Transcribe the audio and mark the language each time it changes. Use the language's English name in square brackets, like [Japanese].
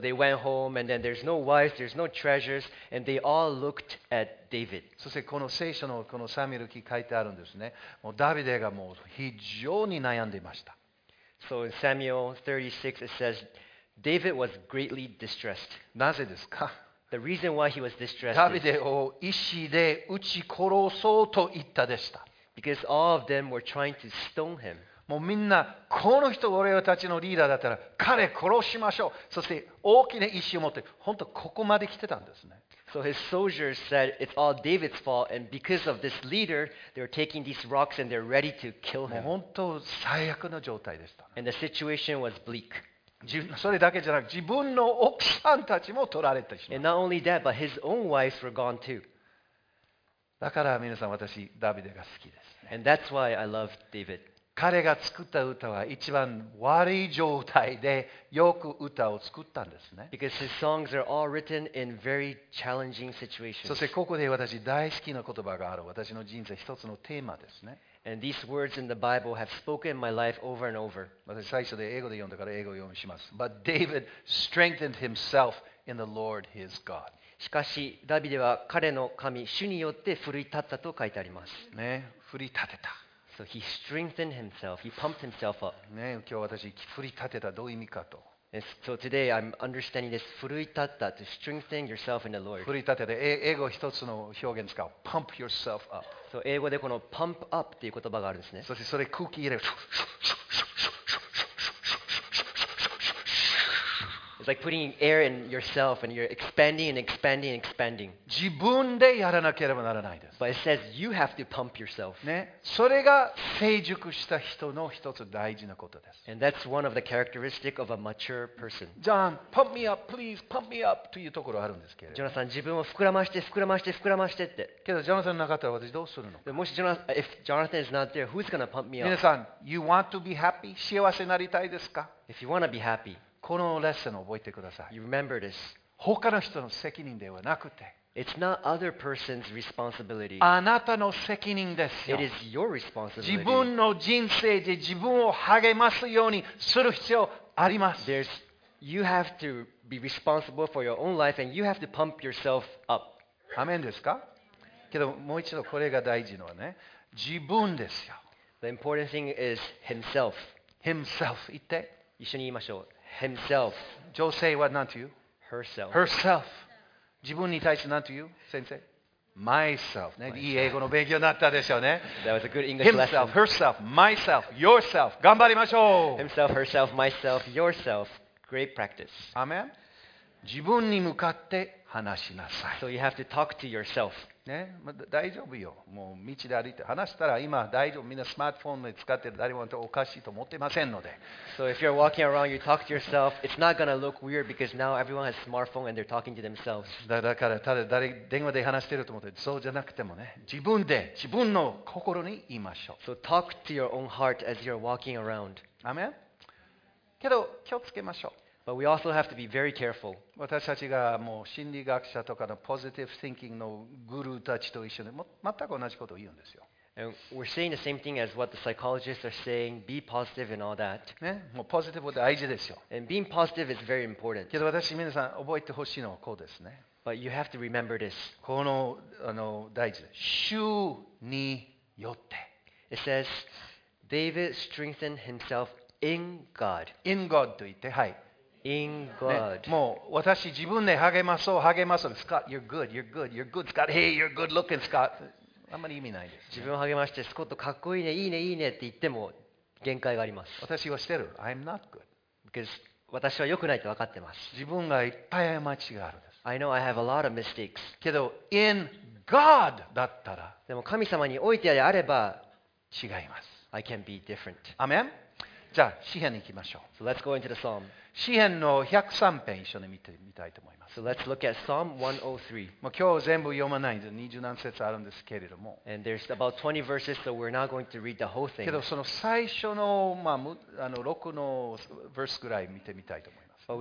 [English] So they went home and then there's no wives, there's no treasures, and they all looked at David. [Japanese] そしてこの聖書のこのサミュエル記書いてあるんですね。もうダビデがもう非常に悩んでいました。 [English] So in Samuel 36 it says David was greatly distressed. [Japanese] なぜですか？ [English] The reason why he was distressed. [Japanese] ダビデを石で打ち殺そうと言ったでした。 [English] Because all of them were trying to stone him. [Japanese] もうみんなこの人俺たちのリーダーだったら彼殺しましょう。そして大きな石を持って本当ここまで来てたんですね。 [English] So his soldiers said it's all David's fault, and because of this leader, they're taking these rocks and they're ready to kill him. [Japanese] 本当最悪の状態でした。 [English] And the situation was bleak. [Japanese] それだけじゃなく自分の奥さんたちも取られてしまう。 [English] And not only that, but his own wives were gone too. [Japanese] だから皆さん私ダビデが好きです、ね。 [English] And that's why I love David. [Japanese] 彼が作った歌は一番悪い状態でよく歌を作ったんですね。 [English] Because his songs are all written in very challenging situations. [Japanese] そしてここで私大好きな言葉がある。私の人生一つのテーマですね。 [English] And these words in the Bible have spoken my life over and over. [Japanese] 私最初で英語で読んだから英語を読みします。 [English] But David strengthened himself in the Lord his God. [Japanese] しかしダビデは彼の神主によって奮い立ったと書いてあります。ね、奮い立てた。 [English] So he strengthened himself. He pumped himself up. [Japanese] ね、今日私奮い立てたどういう意味かと。 [English] So today I'm understanding this. 奮い立った to strengthen yourself in the Lord. [Japanese] 奮い立てた。英語一つの表現使う。 [English] Pump yourself up. [Japanese] So 英語でこの pump up っていう言葉があるんですね。そしてそれ空気入れる。 [English] It's like putting air in yourself and you're expanding and expanding and expanding. [Japanese] 自分でやらなければならないです。 [English] But it says you have to pump yourself. [Japanese] ね、それが成熟した人の一つ大事なことです。 [English] And that's one of the characteristics of a mature person. John, pump me up, please, pump me up [Japanese] というところあるんですけれど。ジョナサン、自分を膨らまして、膨らまして、膨らましてって。けど、ジョナサンなかったら私どうするの？ [English] もし、if Jonathan is not there, who's going to pump me up? 皆さん、you want to be happy? [Japanese] 幸せになりたいですか？ [English] If you want to be happy, [Japanese] このレッスンを覚えてください。 [English] You remember this. [Japanese] 他の人の責任ではなくて、 [English] It's not other person's responsibility. [Japanese] あなたの責任ですよ。 [English] It is your responsibility. [Japanese] 自分の人生で自分を励ますようにする必要あります。 [English] There's, you have to be responsible for your own life, and you have to pump yourself up. [Japanese] アメンですか？けどもう一度これが大事のはね、自分ですよ。 [English] The important thing is himself. [Japanese] Himself 言って。一緒に言いましょう。Himself. 女性は何と言う [English] Herself. [Japanese] Herself. 自分に対して何と言う先生 Myself.、ね、Myself. いい英語の勉強になったでしょうね。 [English] That was a good English Himself, lesson. Herself, Myself, Yourself. [Japanese] 頑張りましょう。 [English] Himself, Herself, Myself, Yourself. Great practice. Amen. [Japanese] 自分に向かって話しなさい。 [English] So you have to talk to yourself.、 [Japanese] ね、まあ、大丈夫よ。もう道で歩いて話したら今大丈夫。みんなスマートフォンで使ってる誰もおかしいと思ってませんので。 [English] So if you're walking around, you talk to yourself. It's not going to look weird because now everyone has a smartphone and they're talking to themselves. [Japanese] だからただ誰電話で話してると思って、そうじゃなくてもね、自分で自分の心に言いましょう。 [English] So talk to your own heart as you're walking around. Amen. [Japanese] けど気をつけましょう。 [English] But we also have to be very careful. [Japanese] 私たちがもう心理学者とかのポジティブ・シンキングのグルーたちと一緒に全く同じことを言うんですよ。 [English] And we're saying the same thing as what the psychologists are saying, be positive and all that.、 [Japanese] ね、もうポジティブは大事ですよ。 [English] And being positive is very important. [Japanese] けど私、皆さん覚えてほしいのはこうですね。 [English] But you have to remember this. [Japanese] この、大事です。主によって。 [English] It says, David strengthened himself in God. [Japanese] In God と言って、はい。 [English] In God. [Japanese] ね、もう私自分で励まそう励まそう。 [English] Scott, you're good, you're good, you're good, Scott. Hey, you're good looking, Scott. [Japanese] あんまり意味ないです、ね。自分を励まして、スコットかっこいいね、いいね、いいねって言っても限界があります。私はしてる。 [English] I'm not good. [Japanese] Because 私は良くないと分かってます。自分がいっぱい過ちがあるんです。 [English] I know I have a lot of mistakes. [Japanese] けど、in God だったら、でも神様においてであれば、違います。 [English] I can be different. Amen? [Japanese] じゃあ、詩編に行きましょう。 [English] So let's go into the Psalm. [Japanese] 詩編の103編一緒に見てみたいと思います。 [English] So let's look at Psalm 103. [Japanese] もう今日全部読まないんで、20何節あるんですけれども。 [English] And there's about 20 verses, so we're not going to read the whole thing. [Japanese] けどその最初の、まあ、6のバースぐらい見てみたいと思います。